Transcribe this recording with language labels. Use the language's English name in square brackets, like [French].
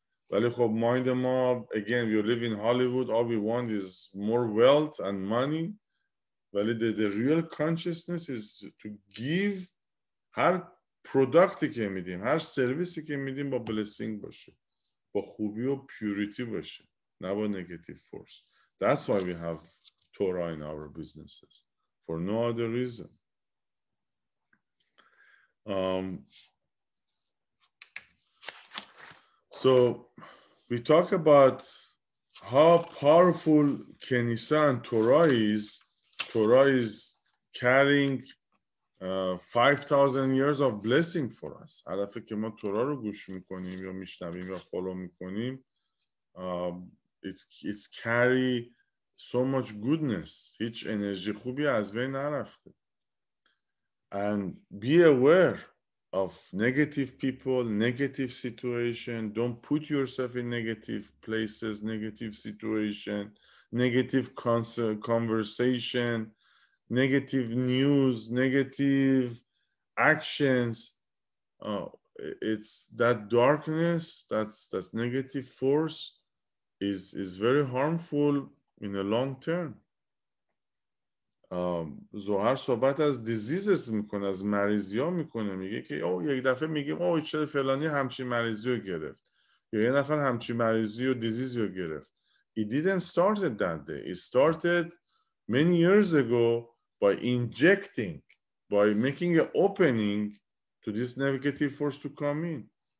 [Persian] ولی خب مایند ما, [English] again we live in Hollywood, all we want is more wealth and money. [Persian] ولی [English] the real consciousness is to give [Persian] هر پروداکتی که میدیم, هر سرویسی که میدیم با blessing باشه, با خوبی و purity باشه, نه با negative force. [English] That's why we have Torah in our businesses, for no other reason. So we talk about how powerful Kenisa and Torah is. Torah is carrying 5,000 years of blessing for us. [Persian] هر دفعه که ما تورا رو گوش میکنیم یا میشنویم یا فالو میکنیم [English] it's carry so much goodness. [Persian] هیچ انرژی خوبی از بین نرفته. [English] And be aware of negative people, negative situation. Don't put yourself in negative places, negative situation, negative conversation, negative news, negative actions. It's that darkness, that's negative force is very harmful in the long term. [Persian] زهر صحبت از دیزیزز میکنه، از مریضی ها میکنه، میگه که او یک دفعه میگیم او چه فلانی همچین مریضی رو گرفت یا یه نفر همچین مریضی و دیزیزی رو گرفت. [English] It didn't start that day. It started many years ago by injecting, by making an opening to this negative force to come in.